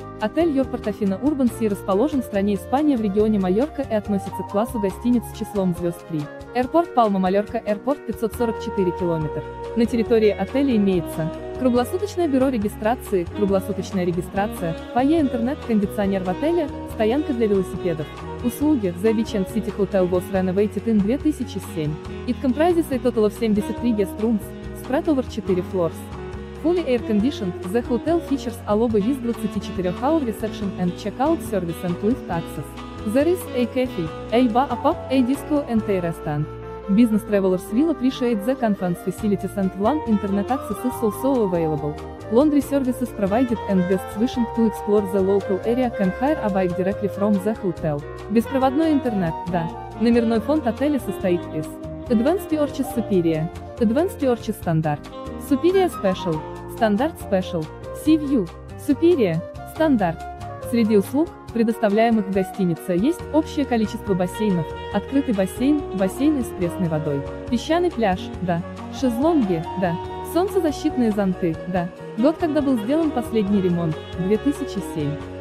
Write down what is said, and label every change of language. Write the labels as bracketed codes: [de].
[ru] Отель Your Portofino Urban Sea расположен в стране Испания в регионе Майорка и относится к классу гостиниц с числом звезд 3. Аэропорт Палма Майорка, аэропорт 544 км. На территории отеля имеется круглосуточное бюро регистрации, круглосуточная регистрация, фойе, интернет, кондиционер в отеле, стоянка для велосипедов. [en] Услуги The Beachend City Hotel was renovated in 2007. It comprises a total of 73 guest rooms, spread over 4 floors. Fully air-conditioned, the hotel features a lobby with 24-hour reception and check-out service and lift access. There is a cafe, a bar, a pub, a disco and a restaurant. Business Travelers Will appreciate the conference facilities and LAN internet access is also available. Laundry services provided and guests wishing to explore the local area can hire a bike directly from the hotel. [ru] Беспроводной интернет, да. Номерной фонд отеля состоит из Advanced Purchase Superior, Advanced Purchase Standard, Superior Special, Standard Special, Sea View, Superior, Standard. Среди услуг, предоставляемых в гостинице, есть общее количество бассейнов, открытый бассейн, бассейны с пресной водой, песчаный пляж, да, шезлонги, да, солнцезащитные зонты, да, год, когда был сделан последний ремонт, 2007.